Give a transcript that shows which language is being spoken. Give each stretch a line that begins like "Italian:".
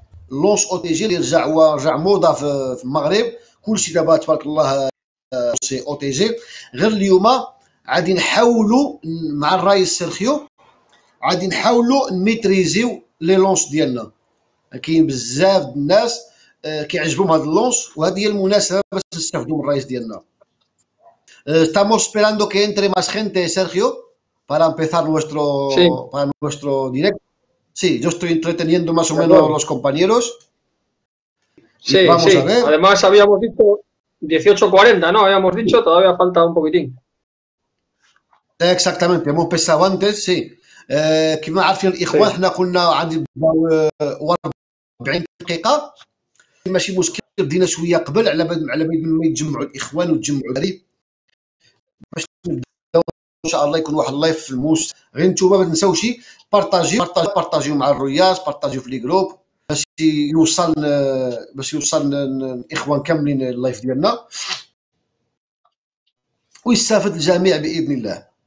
Arabic: لونش او تي جي اللي رجع موضه في المغرب كلشي دابا تبارك الله سي او تي جي غير اليوم غادي نحاولوا مع الرئيس سيرخيو غادي نحاولوا نميتريزيو لي لونش ديالنا كاين بزاف ديال الناس كيعجبهم هذا اللونش وهذه هي المناسبه باش نستافدوا من الرئيس ديالنا
Spanish: estamos esperando que entre más gente Sergio para empezar nuestro sí. para nuestro directo sí yo estoy entreteniendo más o menos los compañeros sí vamos sí. a ver además habíamos dicho 18:40 no habíamos dicho todavía falta un poquitín exactamente hemos empezado antes sí
Arabic: كما عارفين الاخوان حنا قلنا عندي 40 دقيقه ماشي مشكل بدينا شويه قبل على بعد على بعد ما يتجمعوا الاخوان وتجمعوا القريب باش نبداو ان شاء الله يكون واحد اللايف في الموس غير نتوما ما تنساوش بارطاجيو مع الرياض بارطاجيو في لي جروب باش يوصل الاخوان كاملين اللايف ديالنا ويستافد الجميع باذن الله